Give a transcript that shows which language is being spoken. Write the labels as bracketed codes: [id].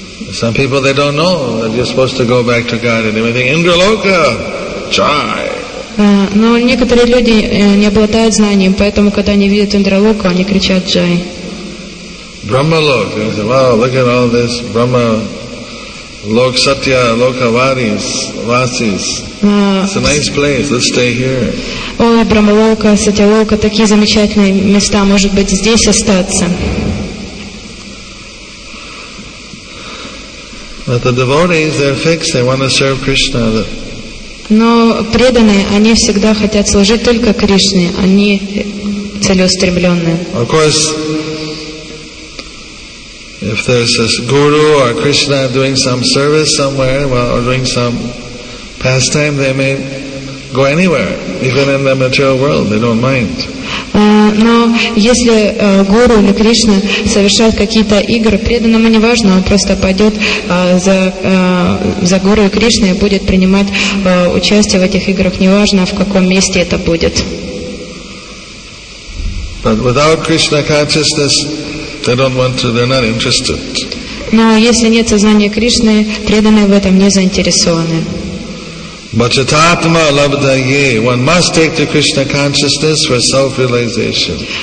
[en] Some people they don't know that you're supposed to go back to Godhead. They think Indraloka, try. [ru] Но некоторые люди не обладают знанием, поэтому когда они видят Индралоку, они кричат джай. [en] Brahma Lok, they say, wow, look at all this Brahma. Lok Satya, Lokavaris, Vasis. It's a nice place. Let's stay here. [ru] Ой, Брамалока, Сатялока, такие замечательные места. Может быть, здесь остаться. [en] But the devotees, they're fixed. They want to serve Krishna. [ru] Но преданные, они всегда хотят служить только Кришне. Они целеустремленные. [en] Of course. If there's a guru or Krishna doing some service somewhere, well, or doing some pastime, they may go anywhere, even in the material world. They don't mind. [ru] Но если гуру или Кришна совершает какие-то игры, преданному не важно, он просто пойдет за гуру и Кришной и будет принимать участие в этих играх, не важно в каком месте это будет. [en] But without Krishna consciousness, they don't want to. They're not interested. [ru] Но если нет сознания Кришны, преданные в этом не заинтересованы. [sa] Bhajatatma labdaye. [en] One must take to Krishna consciousness for self-realization.